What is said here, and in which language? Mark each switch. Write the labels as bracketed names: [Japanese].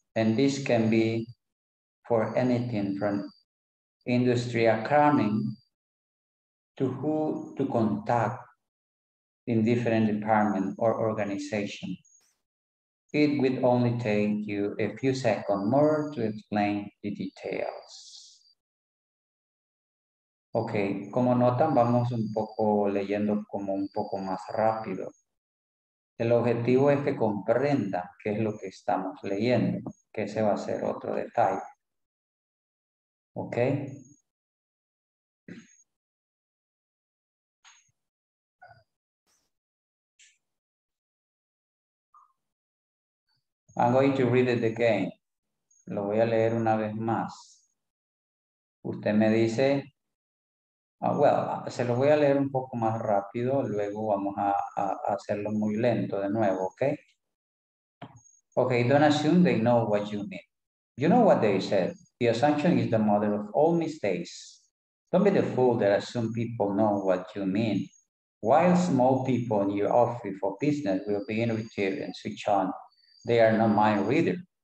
[English] And this can be for anything from industry accounting to who to contact in different department or organization. It would only take you a few seconds more to explain the details. [Spanish] Okay, como notan, vamos un poco leyendo como un poco más rápido. El objetivo es que comprenda qué es lo que estamos leyendo, que ese va a ser otro detalle. Okay. [English] I'm going to read it again. [Spanish] Lo voy a leer una vez más. Usted me dice, se lo voy a leer un poco más rápido, luego vamos a hacerlo muy lento de nuevo, okay? [English] Okay, don't assume they know what you mean. You know what they said. The assumption is the mother of all mistakes. Don't be the fool that assumes people know what you mean. While small people in your office or business will be intuitive and switch on, they are not mind readers.